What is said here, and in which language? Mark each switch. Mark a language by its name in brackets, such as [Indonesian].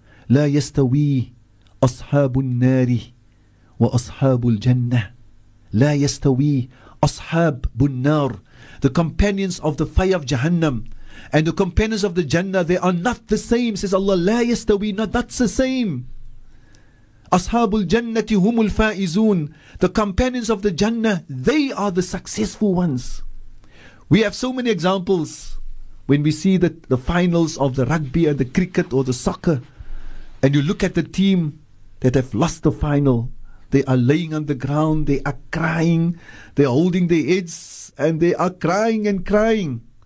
[Arabic] لا يستوي أصحاب النار وأصحاب الجنة. لا يستوي أصحاب النار. [English] The companions of the fire of Jahannam and the companions of the Jannah, they are not the same, says Allah. [Arabic] لا يستوي. [English] No, that's the same. [Arabic] أصحاب الجنة هم الفائزون. [English] The companions of the Jannah, they are the successful ones. We have so many examples. When we see the finals of the rugby and the cricket or the soccer, and you look at the team that have lost the final, they are laying on the ground, they are crying, they are holding their heads, and they are crying and crying.